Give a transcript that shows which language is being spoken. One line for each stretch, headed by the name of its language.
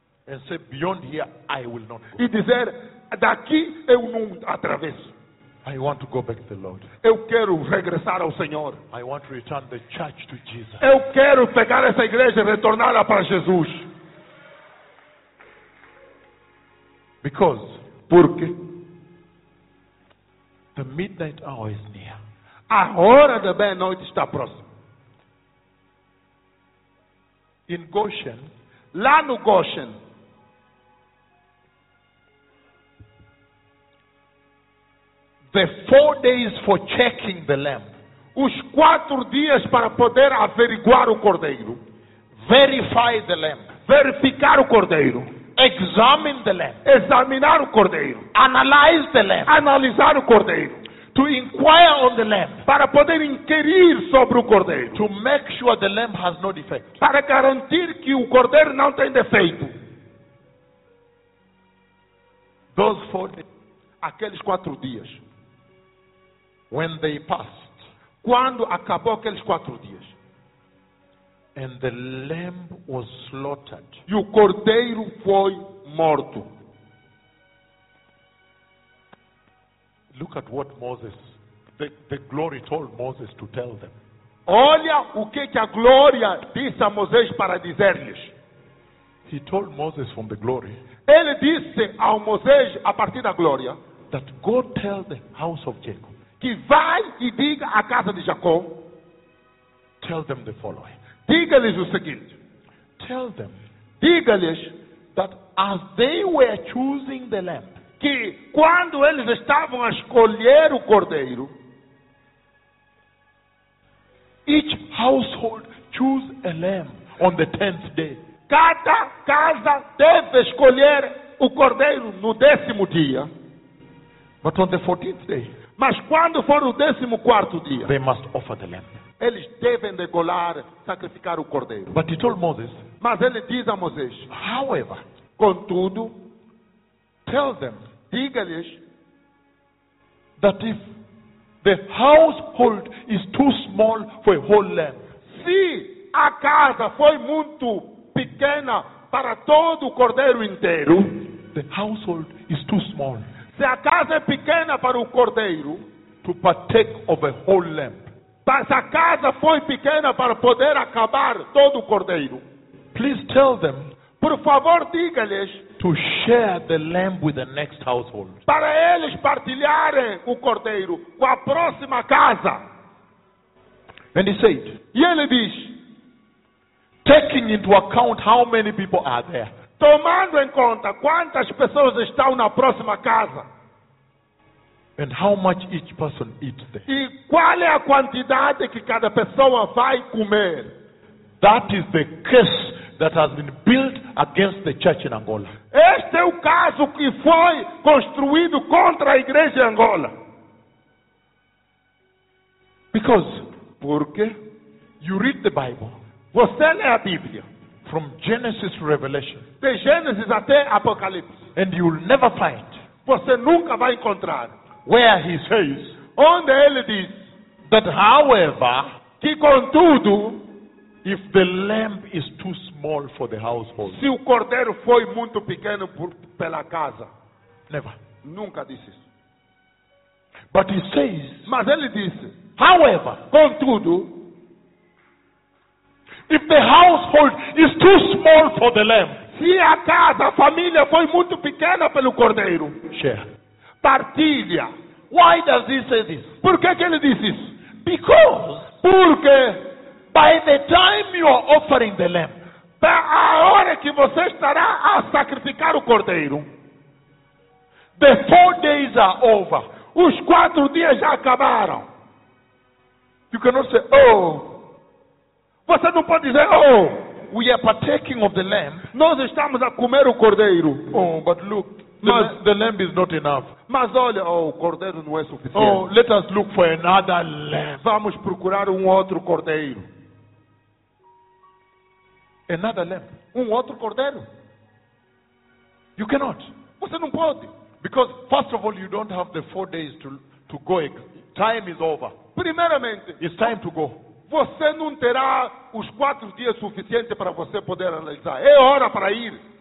English: and say, beyond here, I will not go.
Portuguese: He dizer, daqui eu não atravesso.
English: I want to go back to the Lord.
Portuguese: Eu quero regressar ao Senhor.
English: I want to return the church to Jesus.
Portuguese: Eu quero pegar essa igreja e retorná-la para Jesus.
English: Because,
Portuguese: porque
English: the midnight hour is near.
Portuguese: A hora da meia-noite está próxima.
English: In Goshen,
Portuguese: lá no Goshen,
English: the 4 days for checking the lamb,
Portuguese: os 4 dias para poder averiguar o cordeiro,
English: verify the lamb,
Portuguese: verificar o cordeiro,
English: examine the lamb,
Portuguese: examinar o cordeiro,
English: analyze the lamb,
Portuguese: analisar o cordeiro,
English: to inquire on the lamb,
Portuguese: para poder inquirir sobre o cordeiro,
English: to make sure the lamb has no defect,
Portuguese: para garantir que o cordeiro não tem defeito.
English: Those 4 days,
Portuguese: aqueles 4 dias,
English: when they passed,
Portuguese: quando acabou aqueles 4 dias,
English: and the lamb was slaughtered,
Portuguese: e o cordeiro foi morto.
English: Look at what Moses, the glory told Moses to tell them.
Portuguese: Olha o que a glória disse a Moisés para dizer-lhes.
English: He told Moses from the glory.
Portuguese: Ele disse ao Moisés a partir da glória.
English: That go tell the house of Jacob.
Portuguese: Que vai e diga à casa de Jacó.
English: Tell them the following.
Portuguese: Diga-lhes o seguinte.
English: Tell them.
Portuguese: Diga-lhes
English: that as they were choosing the lamb,
Portuguese: que quando eles estavam a escolher o cordeiro,
English: each household choose a lamb on the 10th day.
Portuguese: Cada casa deve escolher o cordeiro no 10º dia.
English: But on the 14th day,
Portuguese: mas quando for o 14º dia,
English: they must offer the lamb.
Portuguese: Eles devem degolar, sacrificar o cordeiro.
English: But he told Moses,
Portuguese: mas ele diz a Moisés,
English: however,
Portuguese: contudo,
English: tell them,
Portuguese: diga-lhes,
English: that if the household is too small for a whole lamb,
Portuguese: se a casa foi muito pequena para todo o cordeiro inteiro,
English: the household is too small,
Portuguese: se a casa é pequena para o cordeiro,
English: to partake of a whole lamb,
Portuguese: se a casa foi pequena para poder acabar todo o cordeiro,
English: please tell them,
Portuguese: por favor, diga-lhes,
English: to share the lamb with the next household.
Portuguese: Para eles partilharem o cordeiro com a próxima casa.
English: And he said,
Portuguese: e ele diz,
English: taking into account how many people are there,
Portuguese: tomando em conta quantas pessoas estão na próxima casa,
English: and how much each person eats there,
Portuguese: e qual é a quantidade que cada pessoa vai comer,
English: that is the curse that has been built against the church in Angola.
Portuguese: Este é o caso que foi construído contra a igreja em Angola.
English: Because,
Portuguese: porque,
English: you read the Bible,
Portuguese: você lê a Bíblia,
English: from Genesis to Revelation,
Portuguese: de Gênesis até Apocalipse,
English: and you'll never find,
Portuguese: você nunca vai encontrar,
English: where he says,
Portuguese: onde ele diz,
English: that however,
Portuguese: que contudo,
English: if the lamb is too small for the household,
Portuguese: se o cordeiro foi muito pequeno pela casa,
English: never,
Portuguese: nunca disse isso.
English: But he says,
Portuguese: mas ele disse,
English: however,
Portuguese: contudo,
English: if the household is too small for the lamb,
Portuguese: se a casa, a família foi muito pequena pelo cordeiro,
English: share,
Portuguese: partilha.
English: Why does he say this?
Portuguese: Por que ele disse isso?
English: Because,
Portuguese: porque,
English: by the time you are offering the lamb,
Portuguese: a hora que você estará a sacrificar o cordeiro,
English: the 4 days are over.
Portuguese: Os 4 dias já acabaram.
English: You cannot say, oh.
Portuguese: Você não pode dizer, oh.
English: We are partaking of the lamb.
Portuguese: Nós estamos a comer o cordeiro.
English: Oh, but look. The lamb is not enough.
Portuguese: Mas olha, oh, o cordeiro não é suficiente.
English: Oh, let us look for another lamb.
Portuguese: Vamos procurar outro cordeiro.
English: Another lamb.
Portuguese: Outro cordeiro.
English: You cannot.
Portuguese: Você não pode.
English: Because first of all, you don't have the 4 days to go. Time is over.
Portuguese: Primeiramente,
English: it's time to go.
Portuguese: Você não terá os 4 dias suficientes para você poder analisar. É hora para ir.